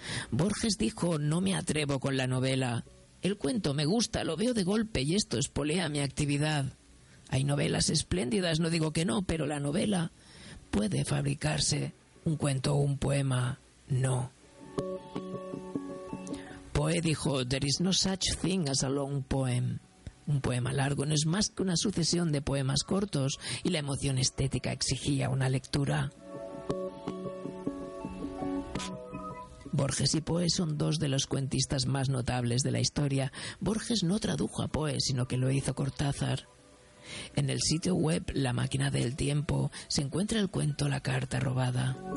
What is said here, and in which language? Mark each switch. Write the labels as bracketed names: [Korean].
[Spanish] Borges dijo: «No me atrevo con la novela. El cuento me gusta, lo veo de golpe y esto espolea mi actividad». Hay novelas espléndidas, no digo que no, pero la novela puede fabricarse, un cuento o un poema, no. [English] Poe dijo: there is no such thing as a long poem. [Spanish] Un poema largo no es más que una sucesión de poemas cortos y la emoción estética exigía una lectura. Borges y Poe son dos de los cuentistas más notables de la historia. Borges no tradujo a Poe, sino que lo hizo Cortázar. En el sitio web La máquina del tiempo se encuentra el cuento La carta robada.